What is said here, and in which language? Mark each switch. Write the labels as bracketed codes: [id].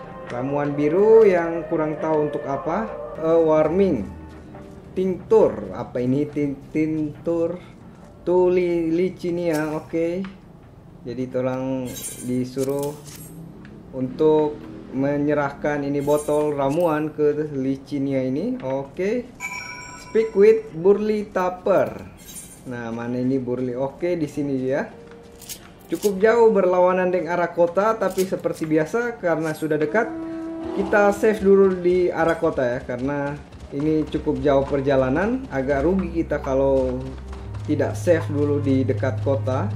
[id] Ramuan biru yang kurang tahu untuk apa? [en] A warming tintur. [id] Apa ini tintur? Tuli Licinia. Oke. Okay. Jadi tolong disuruh untuk menyerahkan ini botol ramuan ke Licinia ini. Oke. Okay. [en] Speak with Burly Tupper. [id] Nah, mana ini Burly? Oke, okay, di sini dia. Cukup jauh berlawanan dengan arah kota, tapi seperti biasa karena sudah dekat, kita save dulu di arah kota ya, karena ini cukup jauh perjalanan, agak rugi kita kalau tidak save dulu di dekat kota.